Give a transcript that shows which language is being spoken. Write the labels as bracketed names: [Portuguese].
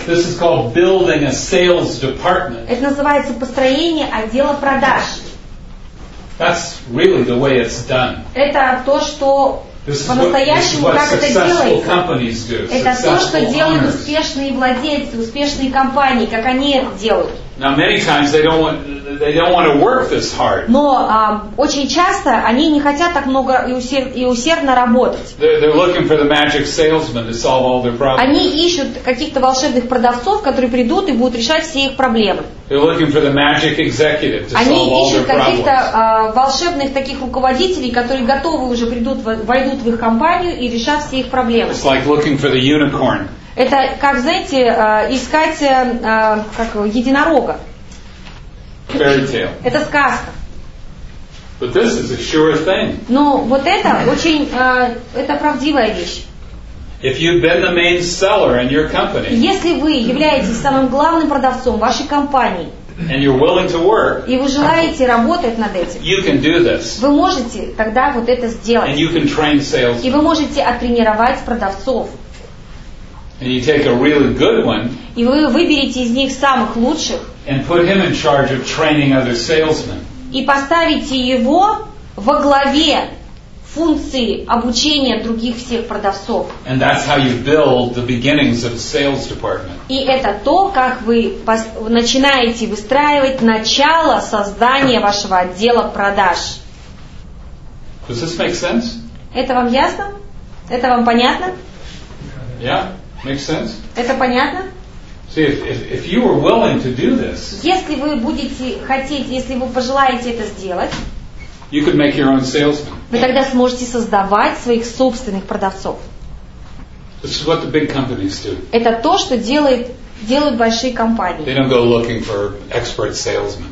[English] This is called building a sales department. [Russian] Это называется построение отдела продаж. [English] That's really the way it's done. [Russian] Это то, что по-настоящему как это делается. [English] Companies do. [Russian] Это то, что делают успешные владельцы, успешные компании, как они это делают. [English] Now many times they don't want to work this hard. [Russian] Но очень часто они не хотят так много и усердно работать. [English] They're looking for the magic salesman to solve all their problems. [Russian] Они ищут каких-то волшебных продавцов, которые придут и будут решать все их проблемы. [English] They're looking for the magic executive to solve all their problems. [Russian] Они ищут каких-то волшебных таких руководителей, которые готовы уже придут войдут в их компанию и решат все их проблемы. [English] It's like looking for the unicorn. [Russian] Это, как знаете, искать как единорога. [English] Fairy tale. [Russian] Это сказка. [English] But this is a sure thing. [Russian] Но вот это очень это правдивая вещь. [English] If you've been the main seller in your company, [Russian] если вы являетесь самым главным продавцом вашей компании, [English] and you're willing to work, [Russian] и вы желаете работать над этим, [English] you can do this. [Russian] Вы можете тогда вот это сделать. [English] And you can train salesmen. [Russian] И вы можете оттренировать продавцов. [English] And you take a really good one, [Russian] и вы выберете из них самых лучших, [English] and put him in charge of training other salesmen. [Russian] И поставите его во главе функции обучения других всех продавцов. [English] And that's how you build the beginnings of a sales department. [Russian] И это то, как вы начинаете выстраивать начало создания вашего отдела продаж. [English] Does this make sense? [Russian] Это вам ясно? Это вам понятно? [English] Yeah, makes sense. [Russian] Это понятно? [English] See, if you were willing to do this, [Russian] если вы будете хотеть, если вы пожелаете это сделать, [English] you could make your own salesman. [Russian] Вы тогда сможете создавать своих собственных продавцов. [English] This is what the big companies do. [Russian] Это то, что делают большие компании. [English] They don't go looking for expert salesmen.